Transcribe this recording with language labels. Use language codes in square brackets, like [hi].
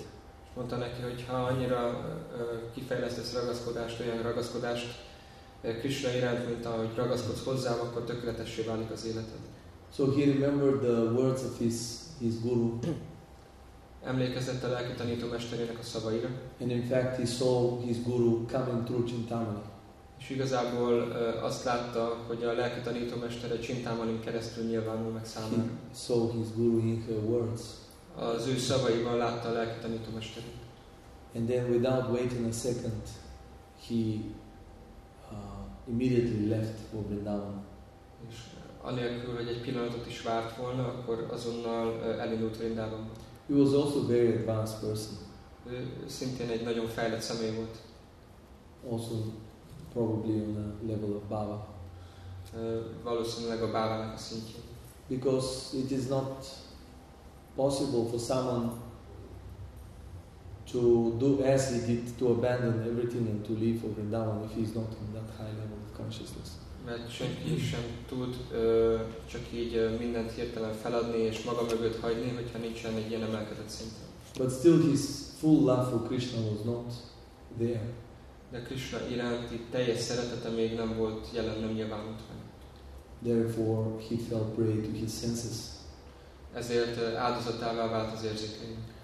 [hu] És mondta neki, hogy ha annyira kifejlesztesz ragaszkodást, olyan ragaszkodást Krishna iránt, mint ahogy ragaszkodsz hozzá, akkor tökéletessé válik az életed. [en] So he remembered the words of his guru. [hu] Emlékezett a lelki tanító mesterének a szavaira. [en] And in fact he saw his guru coming through Chintamani. [hu] És igazából azt látta, hogy a lelki tanító mestere Chintamanin keresztül nyilvánul meg számára. [en] He saw his guru in her words. [hu] Az ő szavaiban látta a lelki tanító mesterét. [en] And then without waiting a second, he immediately left for Vrindavan. [hu] És anélkül, hogy egy pillanatot is várt volna, akkor azonnal elindult Vrindavanba. [en] He was also a very advanced person. [hu] Ő szintén egy nagyon fejlett személy volt. [en] Also probably on the level of Baba. [hu] Valószínűleg a Bábának a szintjén. [en] Because it is not possible for someone to do as he did, to abandon everything and to leave for Vrindavan if he is not on that high level of consciousness. [hu] Mert senki sem tud csak így mindent hirtelen feladni és maga mögött hagyni, hogyha nincsen egy ilyen emelkedett szinten. [en] But still his full love for Krishna was not there. [hu] De Krishna iránti teljes szeretete még nem volt jelen, nem nyilvánult meg. [en] Therefore he fell prey to his senses. [hu] Ezért áldozatává vált az érzékeink.